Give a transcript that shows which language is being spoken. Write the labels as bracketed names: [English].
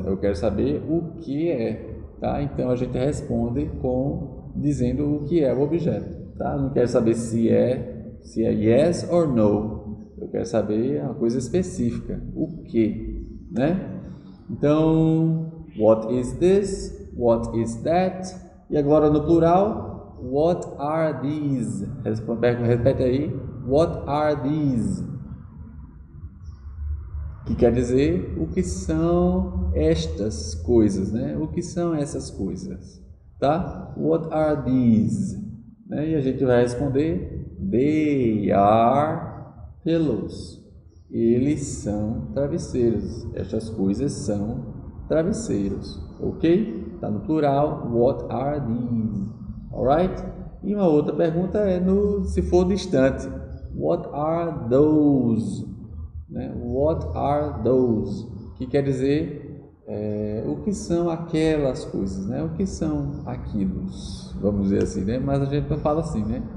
[Portuguese] Eu quero saber o que é, tá? Então a gente responde com dizendo o que é o objeto, tá? Eu não quero saber se é [English] yes or no. [Portuguese] Eu quero saber uma coisa específica, o que, né? Então, [English] what is this? What is that? [Portuguese] E agora no plural, [English] what are these? [Portuguese] Repete aí. [English] What are these? [Portuguese] Que quer dizer o que são estas coisas, né? O que são essas coisas, tá? [English] What are these? [Portuguese] Né? E a gente vai responder: [English] they are pillows. [Portuguese] Eles são travesseiros. Estas coisas são travesseiros, ok? Tá no plural, [English] what are these? Alright? [Portuguese] E uma outra pergunta é no, se for distante, [English] what are those? [Portuguese] Né? [English] What are those? [Portuguese] Que quer dizer o que são aquelas coisas, né? O que são aquilos? Vamos dizer assim, né? Mas a gente não fala assim, né?